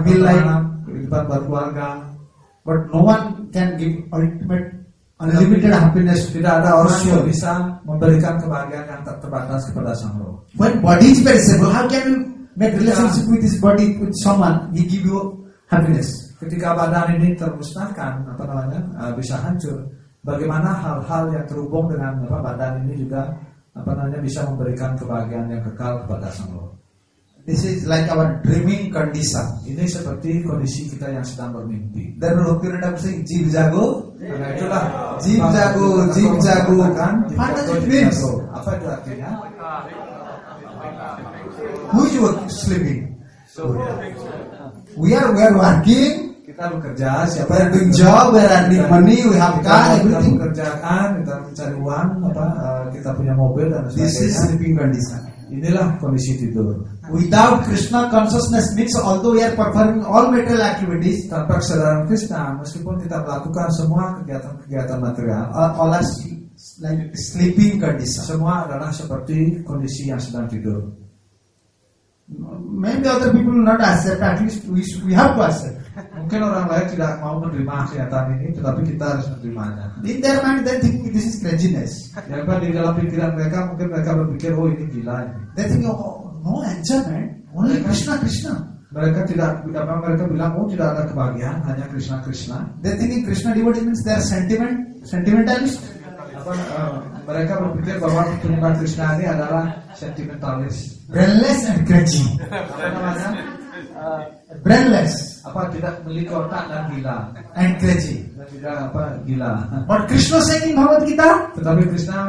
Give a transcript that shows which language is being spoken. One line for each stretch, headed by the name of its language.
English: maybe like
Indonesian: kehidupan berkeluarga.
English: But no one can give ultimate unlimited happiness.
Indonesian: Tidak ada orang yang bisa memberikan kebahagiaan yang tak terbatas kepada sang roh.
English: When body is perishable, how can you make relationship with this body with someone? He give you happiness.
Indonesian: Ketika badan ini termusnahkan, apa namanya, bisa hancur. Bagaimana hal-hal yang terhubung dengan apa, badan ini juga apa namanya bisa memberikan kebahagiaan yang kekal kepada sang roh?
English: This is like our dreaming condition.
Indonesian: Ini seperti kondisi kita yang sedang bermimpi. Dan Rupi Rada bisa jeev jago. Karena itulah
Hindi: jeev jago, jeev jago
Indonesian: kan? Apa itu artinya?
English: Who is sleeping? We are working.
Indonesian: Kita bekerja. Siapa yang
English: doing job? We are earning money. We have car.
Indonesian: Kita bekerjakan. Kita mencari uang. Apa? Kita punya mobil dan sebagainya.
English: This is sleeping condition.
Indonesian: Inilah kondisi tidur.
English: Without Krishna consciousness means although we are performing all material activities,
Indonesian: tanpa kesadaran Krishna, meskipun kita melakukan semua kegiatan-kegiatan material,
English: all as like sleeping condition.
Indonesian: Semua adalah seperti kondisi yang sedang tidur.
English: Maybe other people not accept. At least we have to accept.
Indonesian: Mungkin orang lain tidak mau menerima kenyataan ini, tetapi kita harus menerimanya.
English: In their mind, they think this is craziness.
Indonesian: Yang apa di dalam pikiran mereka, mungkin mereka berpikir, oh ini gila ini.
English: They think, oh, no enjoyment, only Krishna.
Indonesian: Mereka tidak, apa mereka bilang, oh tidak ada kebahagiaan, hanya Krishna.
English: They think Krishna devotee means they are sentimentalist.
Indonesian: Mereka berpikir bahwa penyembahan Krishna ini adalah sentimentalist.
English: Brainless and crazy.
Indonesian: Apa namanya?
English: Brainless.
Indonesian: Apa tidak memiliki otak dan gila?
English: And crazy.
Indonesian: Dan tidak apa gila.
English: But Krishna saying in Bhagavad Gita?
Indonesian: Tetapi Krishna